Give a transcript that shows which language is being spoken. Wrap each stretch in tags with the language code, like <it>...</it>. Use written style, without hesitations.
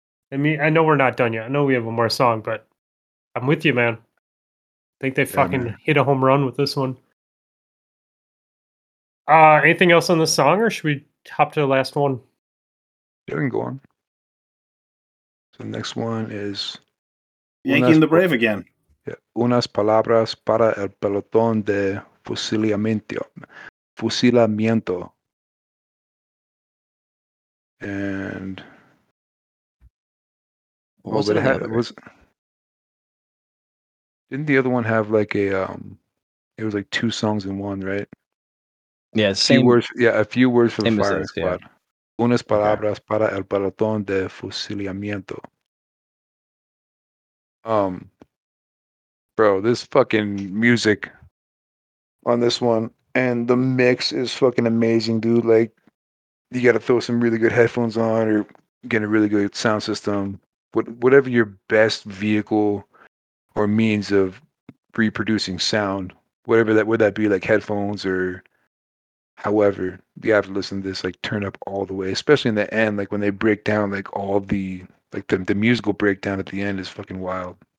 <en>I mean, I know we're not done yet. I know we have one more song, but I'm with you, man. I think they fucking hit a home run with this one. Anything else on the song, or should we hop to the last one? Yeah, we can go on. So the next one is Yankee and the Brave again.</en> <es>Yeah, unas palabras para el pelotón de fusilamiento.</es> <en>And didn't the other one have like a it was like two songs in one, right? Yeah, a few words for the firing squad. Yeah.</en> <es>Unas palabras para el pelotón de fusilamiento.</es> <en>Bro, this fucking music on this one and the mix is fucking amazing, dude. Like, you gotta throw some really good headphones on or get a really good sound system. Whatever your best vehicle or means of reproducing sound, whatever that would that be, like headphones or however, you have to listen to this, like, turn up all the way, especially in the end, like when they break down, like all the, like the musical breakdown at the end is fucking wild.</en>